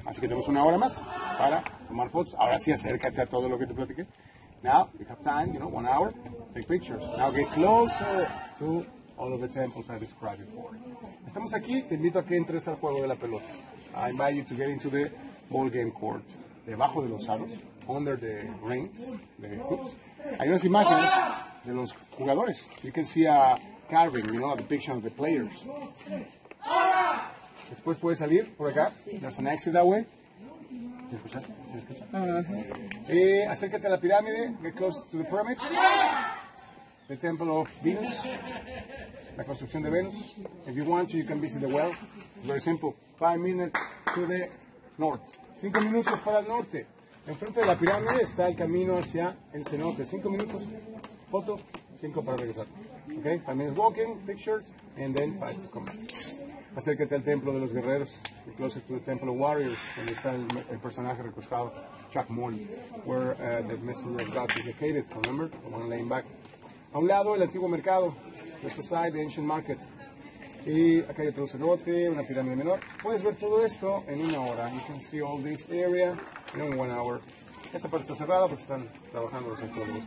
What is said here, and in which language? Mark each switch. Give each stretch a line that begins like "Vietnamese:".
Spanish: Así que tenemos una hora más para tomar fotos. Ahora sí, acércate a todo lo que te platiqué.
English: Now you have time, you know, 1 hour. Take pictures. Now get closer to all of the temples I described before.
Spanish: Estamos aquí. Te invito a que entres al juego de la pelota.
English: I invite you to get into the ball game court.
Spanish: Debajo de los aros,
English: under the rings, the hoops,
Spanish: hay unas imágenes de los jugadores.
English: You can see a carving, you know, a depiction of the players.
Spanish: Después puedes salir por acá.
English: There's an exit that way.
Spanish: ¿Te escuchaste? ¿Te escuchaste? Acércate a la pirámide.
English: Get close to the pyramid. The temple of Venus.
Spanish: La construcción de Venus.
English: If you want to, you can visit the well. It's very simple. 5 minutes to the north.
Spanish: 5 minutos para el norte. Enfrente de la pirámide está el camino hacia el cenote. 5 minutos. Foto. 5 para regresar.
English: Okay. 5 minutes walking. Pictures. And then 5 to come.
Spanish: Acércate al templo de los guerreros.
English: Get closer to the temple of warriors.
Spanish: Donde está el personaje recostado.
English: Chuck Moon. Where the messenger of God is located. Remember? The one laying back.
Spanish: A un lado, el antiguo mercado.
English: Left side, the ancient market.
Spanish: Y acá hay otro cenote, una pirámide menor. Puedes ver todo esto en 1 hora.
English: You can see all this area in 1 hour.
Spanish: Esta parte está cerrada porque están trabajando los arqueólogos.